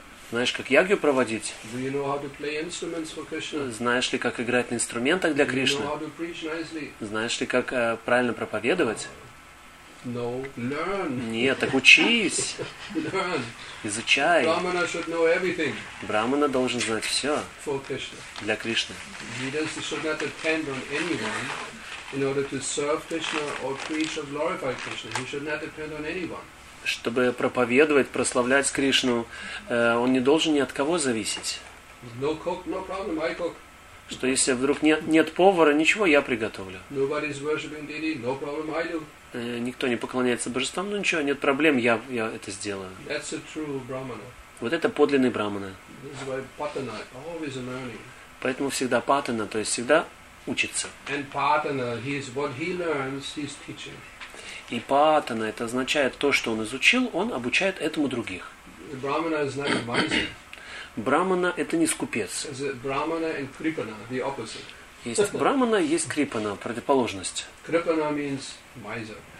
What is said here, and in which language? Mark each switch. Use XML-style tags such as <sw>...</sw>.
<ru>Знаешь, как ягью проводить? Знаешь ли, как играть на инструментах для Кришны? Знаешь ли, как правильно проповедовать?</ru> <en>No. Learn.</en> <ru>Нет, так учись.</ru> <en>Learn.</en> <ru>Изучай.</ru> <en>Brahmana should know everything.</en> <ru>Брахмана должен знать все</ru> <en>for Krishna.</en> <ru>Для Кришны.</ru> <en>He should not depend on anyone in order to serve Krishna or preach or glorify Krishna. He should not depend on anyone.</en> <ru>Чтобы проповедовать, прославлять Кришну, он не должен ни от кого зависеть.</ru> <en>No cook, no problem, I cook.</en> <ru>Что если вдруг нет повара, ничего, я приготовлю.</ru> <en>Nobody's worshiping deity, no problem, I do.</en> <ru>Никто не поклоняется божествам, ну ничего, нет проблем, я это сделаю.</ru> <en>That's a true brahmana.</en> <ru>Вот это подлинный брахмана.</ru> <en>This is why patana, always learning.</en> <ru>Поэтому всегда патана, то есть всегда учится.</ru> <en>And patana, he's, what he learns, he's teaching.</en> <ru>И патана, это означает то, что он изучил, он обучает этому других.</ru> <en>Брахмана is not a miser.</en> <ru>Брахмана это не скупец. Брахмана и крипана,</ru> <en>the opposite.</en> <ru>Есть брахмана, есть крипана, противоположность.</ru> <en>Крипана means miser.</en>